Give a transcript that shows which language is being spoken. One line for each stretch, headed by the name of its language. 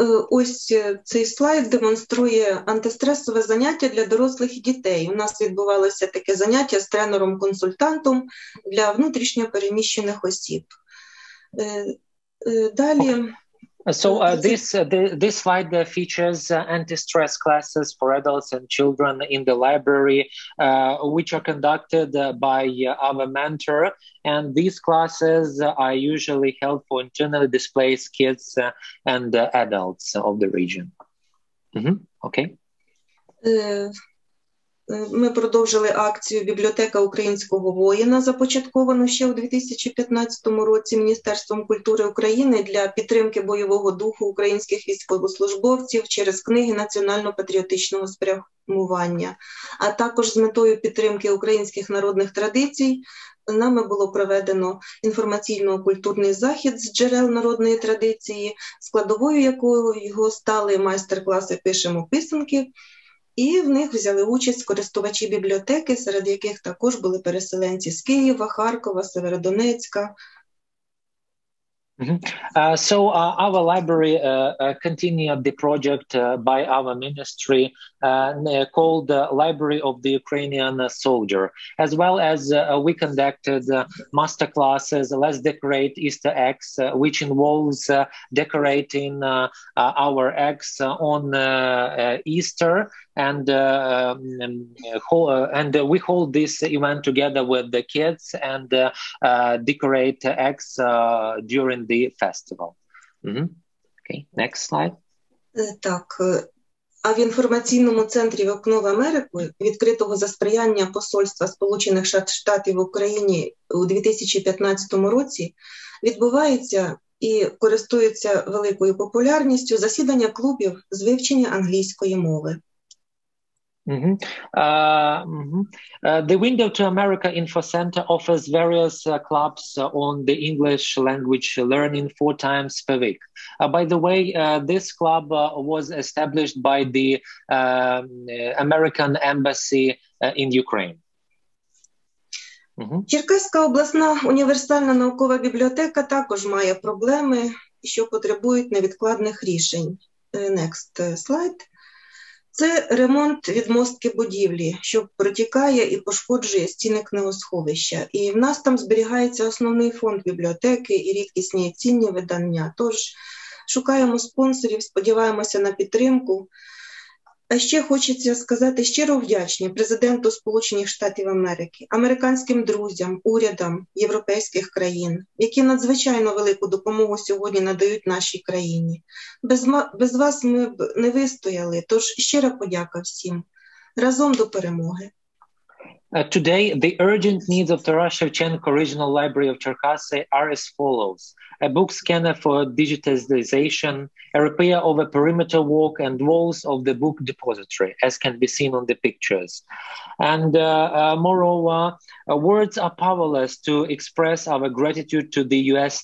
Ukrainian: Ось цей слайд демонструє антистресове заняття для дорослих і дітей. У нас відбувалося таке заняття з тренером-консультантом для внутрішньопереміщених осіб. Далі.
English: So this slide features anti-stress classes for adults and children in the library, which are conducted by our mentor. And these classes are usually held for internally displaced kids and adults of the region. Okay.
Ukrainian: Ми продовжили акцію «Бібліотека українського воїна», започатковану ще у 2015 році Міністерством культури України для підтримки бойового духу українських військовослужбовців через книги національно-патріотичного спрямування. А також з метою підтримки українських народних традицій нами було проведено інформаційно-культурний захід з джерел народної традиції, складовою якого його стали майстер-класи «Пишемо писанки», і в них взяли участь користувачі бібліотеки, серед яких також були переселенці з Києва, Харкова, Северодонецька.
English: So our library continued the project by our ministry called Library of the Ukrainian Soldier, as well as we conducted masterclasses, Let's Decorate Easter Eggs, which involves decorating our eggs on Easter, and we hold this event together with the kids and decorate eggs during the festival. Okay, next slide.
Ukrainian: Так, а в інформаційному центрі «Вікно в Америку», відкритого за сприяння посольства Сполучених Штатів в Україні у 2015 році, відбувається і користується великою популярністю засідання клубів з вивчення англійської мови.
English: The Window to America Info Center offers various clubs on the English language learning four times per week. By the way, this club was established by the American Embassy in Ukraine.
Ukrainian: Черкаська обласна універсальна наукова бібліотека також має проблеми, що потребують невідкладних рішень.
English: Next slide.
Ukrainian: Це ремонт відмостки будівлі, що протікає і пошкоджує стіни книгосховища. І в нас там зберігається основний фонд бібліотеки і рідкісні і цінні видання. Тож шукаємо спонсорів, сподіваємося на підтримку. А ще хочеться сказати щиро вдячні президенту Сполучених Штатів Америки, американським друзям, урядам європейських країн, які надзвичайно велику допомогу сьогодні надають нашій країні. Без вас ми б не вистояли, тож щира подяка всім. Разом до перемоги.
English: Today, the urgent needs of the Russian-Ukrainian Regional Library of Cherkasy are as follows: a book scanner for digitization, a repair of a perimeter wall and walls of the book depository, as can be seen on the pictures. And moreover, words are powerless to express our gratitude to the U.S.